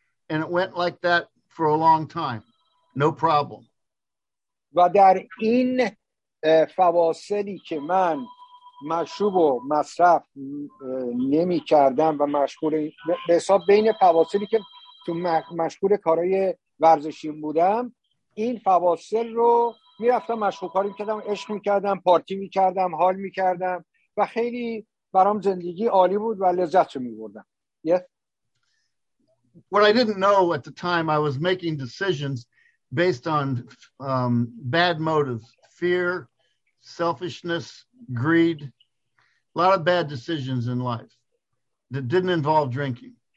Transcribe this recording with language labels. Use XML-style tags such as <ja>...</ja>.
<en>And it went like that for a long time. No problem.</en> <fa>و در این فواصلی که من مشروب و مصرف نمی کردم و مشغول به حساب بین فواصلی که تو مشغول کارهای ورزشیم بودم این فواصل رو میرفتم مشغول کاری میکردم، عشق میکردم، پارتی میکردم، حال میکردم و خیلی برام زندگی عالی بود و لذت رو میبردم.</fa> <en>Yes. What I didn't know at the time I was making decisions based on bad motives, fear, selfishness, greed, a lot of bad decisions in life that didn't involve drinking.</en>